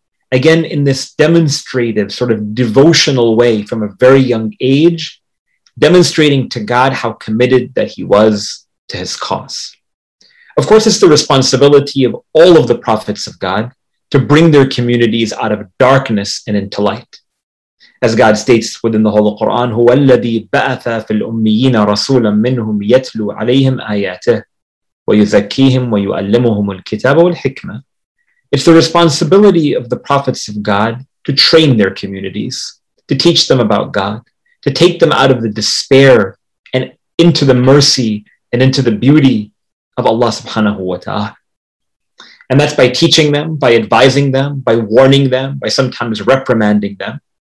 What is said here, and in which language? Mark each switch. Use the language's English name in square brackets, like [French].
[English] Again, in this demonstrative, sort of devotional way from a very young age, demonstrating to God how committed that he was to his cause. Of course, it's the responsibility of all of the prophets of God to bring their communities out of darkness and into light. As God states within the Holy Quran, [Arabic] هُوَ الَّذِي بَأَثَ فِي الْأُمِّيِّينَ رَسُولًا مِّنْهُمْ يَتْلُوا عَلَيْهِمْ آيَاتِهِ وَيُزَكِّيهِمْ وَيُعَلِّمُهُمُ الْكِتَابَ وَالْحِكْمَةِ. [English] It's the responsibility of the prophets of God to train their communities, to teach them about God, to take them out of the despair and into the mercy and into the beauty of Allah subhanahu wa ta'ala. And that's by teaching them, by advising them, by warning them, by sometimes reprimanding them.